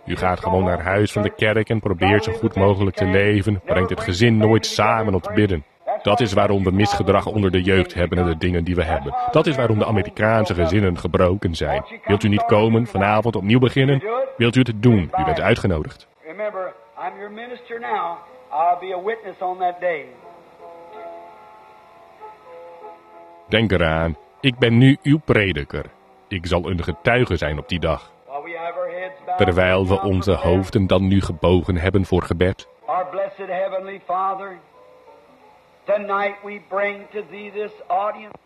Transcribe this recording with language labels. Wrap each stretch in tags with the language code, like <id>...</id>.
<nl>U gaat gewoon naar huis van de kerk en probeert zo goed mogelijk te leven, brengt het gezin nooit samen om te bidden. Dat is waarom we misgedrag onder de jeugd hebben en de dingen die we hebben. Dat is waarom de Amerikaanse gezinnen gebroken zijn. Wilt u niet komen, vanavond opnieuw beginnen? Wilt u het doen? U bent uitgenodigd.</nl> <en>Remember, I'm your minister now. I'll be a witness on that day.</en> <nl>Denk eraan, ik ben nu uw prediker. Ik zal een getuige zijn op die dag. Terwijl we onze hoofden dan nu gebogen hebben voor gebed.</nl> <en>Our blessed heavenly Father, tonight we bring to thee this audience.</en>